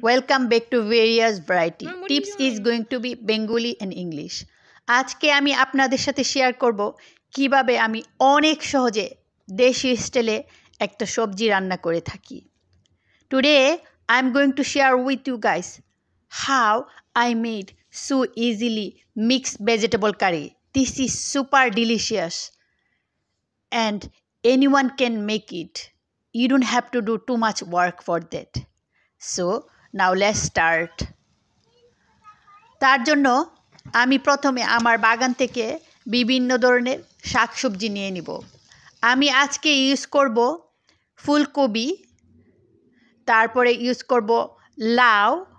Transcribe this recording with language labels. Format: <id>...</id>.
<en>Welcome back to Various Variety. Tips is going to be Bengali and English.</en> <bn>আজকে আমি আপনাদের সাথে share করব কিভাবে আমি অনেক সহজে দেশি স্টাইলে একটা সবজি রান্না করে থাকি.</bn> <en>Today I'm going to share with you guys how I made so easily mixed vegetable curry. This is super delicious and anyone can make it. You don't have to do too much work for that. So, now let's start.</en> <bn>তার জন্য আমি প্রথমে আমার বাগান থেকে বিভিন্ন ধরনের শাকসবজি নিয়ে নিব। আমি আজকে ইউজ করব ফুলকপি, তারপরে ইউজ করব লাউ।</bn>